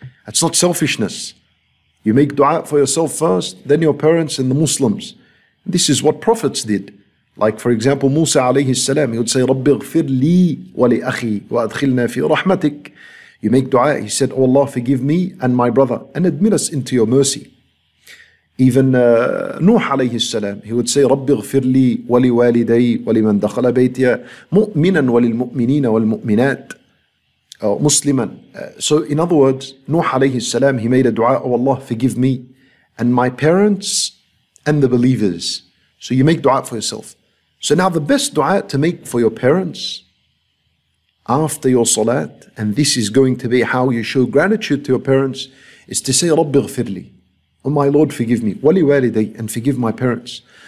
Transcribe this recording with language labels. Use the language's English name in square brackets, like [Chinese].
[English] That's not selfishness. You make dua for yourself first, then your parents and the Muslims. This is what prophets did. Like for example, Musa alayhi salam, he would say, [Arabic] رَبِّ اغْفِرْ لِي وَلِأَخِي وَأَدْخِلْنَا فِي رَحْمَتِكَ. [English] You make dua, he said, oh Allah, forgive me and my brother and admit us into your mercy. Even Nuh alayhi salam, he would say, [Arabic] رَبِّ اغْفِرْ لِي وَلِوَالِدَيْ وَلِمَنْ دَخَلَ بَيْتِيَ مُؤْمِنًا وَلِلْمُؤْمِنِينَ وَالْمُؤْمِنَاتِ. Musliman. [English] So in other words, Nuh alayhi salam, he made a dua, oh Allah, forgive me and my parents and the believers. So you make dua for yourself. So now the best dua to make for your parents after your salat, and this is going to be how you show gratitude to your parents, is to say, [Arabic] رَبِّ اغْفِرْ لِي, [English] oh my Lord, forgive me, [Arabic] وَلِي وَالِدَي, [English] and forgive my parents.